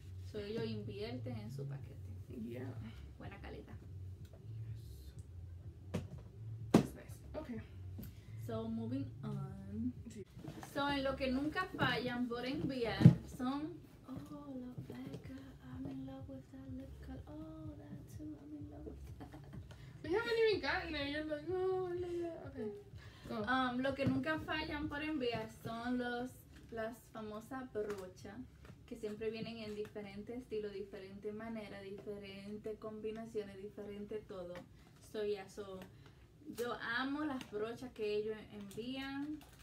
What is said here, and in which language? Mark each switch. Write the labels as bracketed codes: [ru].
[es] So ellos invierten en su paquete. [en] Yeah. [es] Buena calidad. [en] Yes. That's nice. Okay. So moving on. [es] So, en lo que nunca fallan por enviar son... [en] Oh, la beca, I'm in love with that lip color. Oh, that too, I'm in love with that. We haven't even gotten there. You're like, oh, okay. Go. [es] Lo que nunca fallan por enviar son las famosas brochas, que siempre vienen en diferente estilo, diferente manera, diferente combinaciones, diferente todo. So, yeah, so, yo amo las brochas que ellos envían.